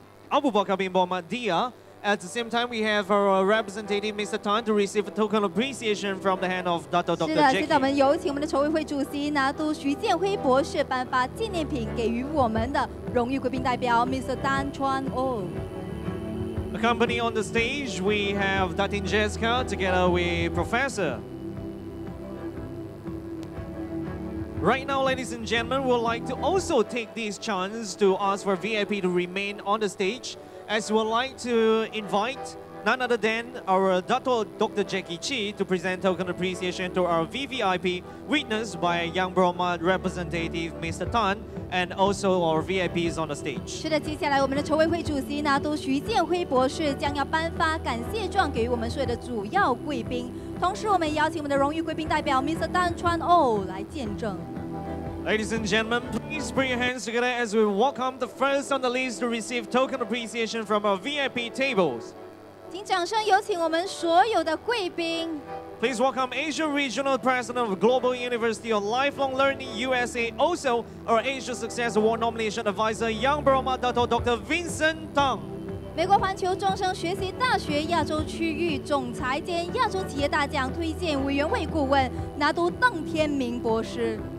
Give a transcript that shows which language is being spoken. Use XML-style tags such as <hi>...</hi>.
<en>Abubakar bin Boroma Dia. At the same time, we have our representative, Mr. Tan, to receive a token of appreciation from the hand of Dr. Jackie.</en> <zh>是的，现在我们有请我们的筹委会主席拿督徐建辉博士颁发纪念品给予我们的荣誉贵宾代表 Mr. Tan Chuan Oh.</zh> <en>Accompanying on the stage, we have Datin Jessica together with Professor. Right now, ladies and gentlemen, we'd like to also take this chance to ask for VIP to remain on the stage as we'd like to invite none other than our Dato Dr. Jackie Chi to present token appreciation to our VVIP witnessed by Yang Boroma representative Mr. Tan and also our VIPs on the stage.</en> <zh>是的，接下来我们的筹委会主席拿督徐建辉博士将要颁发感谢状给我们所有的主要贵宾。同时，我们邀请我们的荣誉贵宾代表 Mr. Tan Chuan Oh 来见证。</zh> <en>Ladies and gentlemen, please bring your hands together as we welcome the first on the list to receive token appreciation from our VIP tables.</en> <zh>请掌声有请我们所有的贵宾。</zh> <en>Please welcome Asia Regional President of Global University of Lifelong Learning USA, also our Asia Success Award Nomination Advisor, Yang Boroma Dato Dr. Vincent Tang.</en> <zh>美国环球终生学习大学亚洲区域总裁兼亚洲企业大奖推荐委员会顾问拿督邓天明博士。</zh>